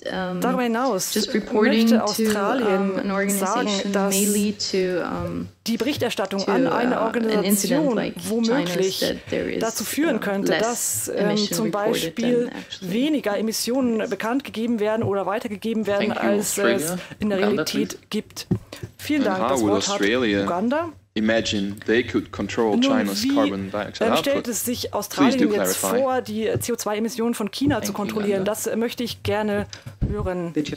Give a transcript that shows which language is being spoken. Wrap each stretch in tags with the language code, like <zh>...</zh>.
<de>Darüber hinaus möchte Australien sagen, dass die Berichterstattung an eine Organisation womöglich dazu führen könnte, dass zum Beispiel weniger Emissionen bekannt gegeben werden oder weitergegeben werden, als es in der Realität gibt. Vielen Dank, das Wort hat Uganda.</de> <en>Imagine they could control China's carbon dioxide output.</en> <de>Stellt es sich Australien jetzt vor, die CO2-Emissionen von China zu kontrollieren? Das möchte ich gerne hören.</de>